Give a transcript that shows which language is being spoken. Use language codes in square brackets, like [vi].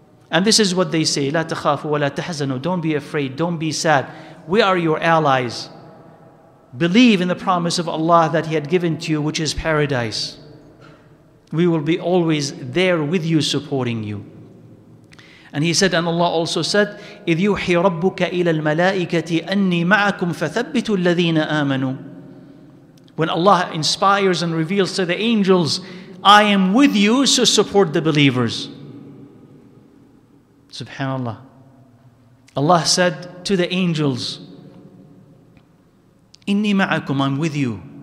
[en] And this is what they say, [ar] لَا تَخَافُوا وَلَا تَحْزَنُوا, [en] don't be afraid, don't be sad. We are your allies. Believe in the promise of Allah that He had given to you, which is paradise. We will be always there with you, supporting you. And he said, and Allah also said, [ar] إِذْ يُوحِي رَبُّكَ إِلَى الْمَلَائِكَةِ أَنِّي مَعَكُمْ فَثَبِّتُوا الَّذِينَ آمَنُوا. [en] When Allah inspires and reveals to the angels, I am with you, so support the believers. Subhanallah. Allah said to the angels, [ar] إِنِّي مَعَكُمْ, [en] I'm with you.